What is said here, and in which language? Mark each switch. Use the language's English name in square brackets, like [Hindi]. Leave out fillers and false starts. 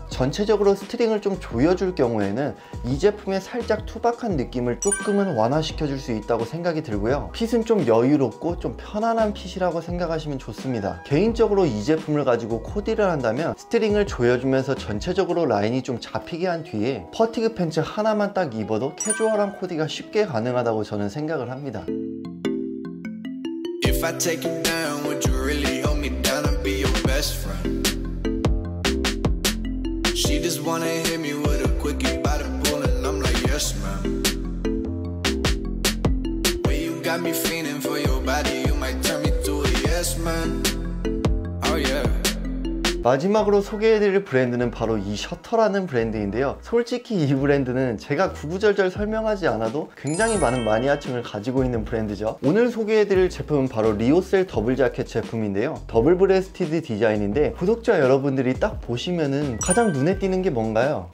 [Korean] 전체적으로 스트링을 좀 조여줄 경우에는 이 제품의 살짝 투박한 느낌을 조금은 완화시켜줄 수 있다고 생각이 들고요, 핏은 좀 여유롭고 좀 편안한 핏이라고 생각하시면 좋습니다. 개인적으로 이 제품을 가지고 코디를 한다면 스트링을 조여주면서 전체적으로 라인이 좀 잡히게 한 뒤에 퍼티그 팬츠 하나만 딱 입어도 캐주얼한 코디가 쉽게 가능하다고 저는 생각을 합니다. [English] If I take it down, would you really hold me down and be your best friend? She just wanna hit me with a quickie by the pool and I'm like, yes, ma'am. When you got me feeling for your body, you might turn me to a yes, man. Oh, yeah. [Korean] 마지막으로 소개해드릴 브랜드는 바로 이 셔터라는 브랜드인데요. 솔직히 이 브랜드는 제가 구구절절 설명하지 않아도 굉장히 많은 마니아층을 가지고 있는 브랜드죠. 오늘 소개해드릴 제품은 바로 리오셀 더블 자켓 제품인데요. 더블 브레스티드 디자인인데 구독자 여러분들이 딱 보시면은 가장 눈에 띄는 게 뭔가요?